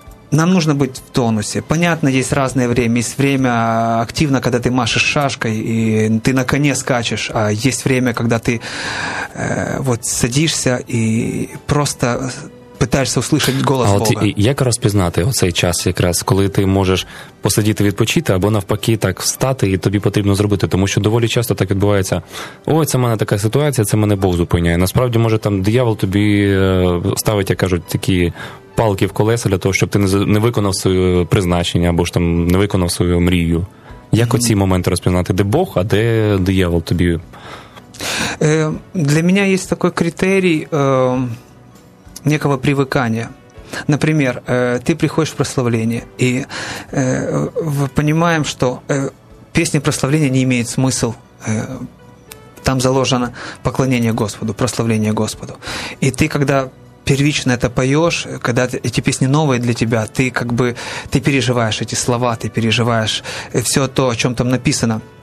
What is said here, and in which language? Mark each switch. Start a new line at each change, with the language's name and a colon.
Russian: Нам нужно быть в тонусе. Понятно, есть разное время. Есть время активно, когда ты машешь шашкой, и ты на коне скачешь, а есть время, когда ты вот садишься и просто... Пытаешься услышать голос Бога.
Ukrainian: А як розпізнати оцей час якраз, коли ти можеш посидіти, відпочити, або навпаки так встати і тобі потрібно зробити? Тому що доволі часто так відбувається. Ой, це в мене така ситуація, це мене Бог зупиняє. Насправді, може, там диявол тобі ставить, як кажуть, такі палки в колеса для того, щоб ти не виконав своє призначення, або ж там не виконав свою мрію. Як оці моменти розпізнати? Де Бог, а де диявол тобі? Для мене є такий критерій...
Russian: некого привыкания. Например, ты приходишь в прославление, и мы понимаем, что песня прославления не имеет смысла. Там заложено поклонение Господу, прославление Господу. И ты, когда первично это поешь, когда эти песни новые для тебя, ты как бы ты переживаешь эти слова, ты переживаешь все то, о чем там написано.